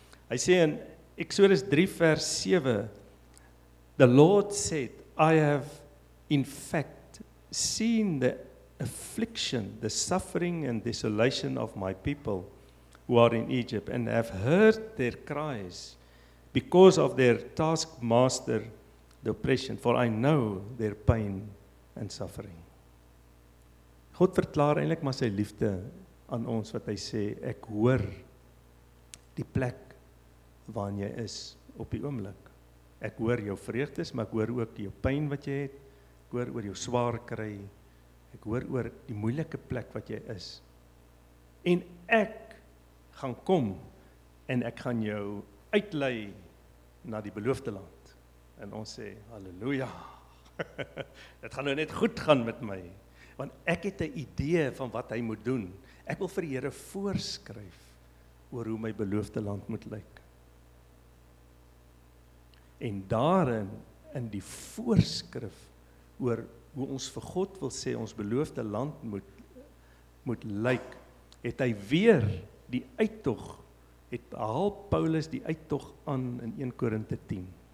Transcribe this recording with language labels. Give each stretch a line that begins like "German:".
Afrikaans: Hy sê in Exodus 3 vers 7,
English: the Lord said, I have in fact seen the affliction, the suffering and desolation of my people who are in Egypt, and have heard their cries because of their taskmaster, the oppression, for I know their pain and suffering.
Afrikaans: God verklaar eintlik maar sy liefde aan ons, wat hy sê, ek hoor die plek waar jy is op die oomblik. Ek hoor jou vreugdes, maar ek hoor ook jou pyn wat jy het. Ek hoor oor jou swaar kry. Ek hoor oor die moeilike plek wat jy is. En ek gaan kom en ek gaan jou uitlei na die beloofde land. En ons sê, halleluja. Het gaan nou net goed gaan met my. Want ek het 'n idee van wat hy moet doen. Ek wil vir die Here voorskryf oor hoe my beloofde land moet lyk. En daarin, in die voorskrif oor hoe ons vir God wil sê ons beloofde land moet lyk, het hy weer die uittog, het haal Paulus die uittog aan in 1 Korinte 10.